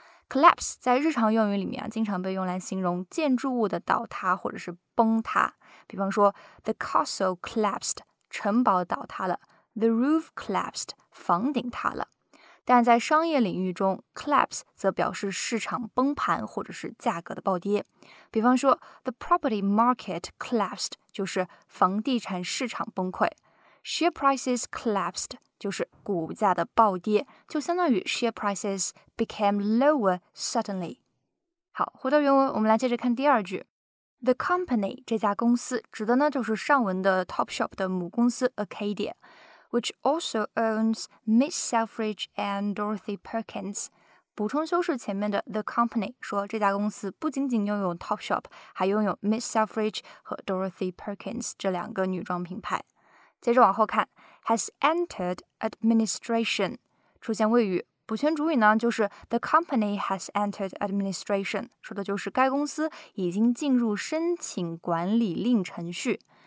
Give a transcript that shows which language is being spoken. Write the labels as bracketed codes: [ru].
[zh] collapse 在日常用语里面，经常被用来形容建筑物的倒塌或者是崩塌，比方说 [en] the castle collapsed， [zh] 城堡倒塌了， [en] the roof collapsed， [zh] 房顶塌了。但在商业领域中， collapse 则表示市场崩盘或者是价格的暴跌，比方说 [en] the property market collapsed， [zh] 就是房地产市场崩溃。 [en] share prices collapsed, [zh] 就是股价的暴跌，就相当于 [en] share prices became lower suddenly. [zh] 好，回到原文，我们来接着看第二句。 [en] The company, [zh] 这家公司，指的呢就是上文的 Topshop 的母公司 [en] Acadia, which also owns Miss Selfridge and Dorothy Perkins. [zh] 补充修饰前面的 the company, 说这家公司不仅仅拥有 Topshop, 还拥有 Miss Selfridge 和 Dorothy Perkins 这两个女装品牌。接着往后看 , [en] has entered administration, [zh] 出现谓语。补全主语呢就是 [en] the company has entered administration, [zh] 说的就是该公司已经进入申请管理令程序。